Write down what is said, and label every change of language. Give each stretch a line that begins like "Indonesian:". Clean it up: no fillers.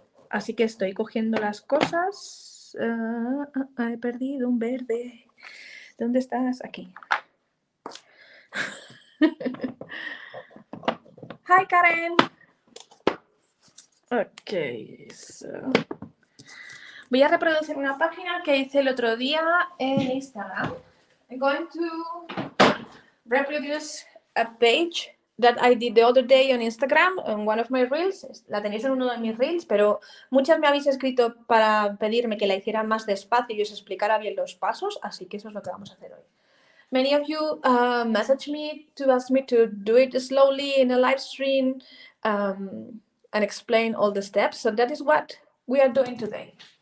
Spanish: Así que estoy cogiendo las cosas. He perdido un verde. ¿Dónde estás? Aquí.
English: Hi Karen. Okay, so
Spanish: voy a reproducir una página que hice el otro día en Instagram.
English: I'm going to reproduce a page that I did the other day on Instagram on one of my reels.
Spanish: La tenéis en uno de mis reels, pero muchas me habéis escrito para pedirme que la hiciera más despacio y os explicara bien los pasos, así que eso es lo que vamos a hacer hoy.
English: Many of you messaged me to ask me to do it slowly in a live stream and explain all the steps, so that is what we are doing today.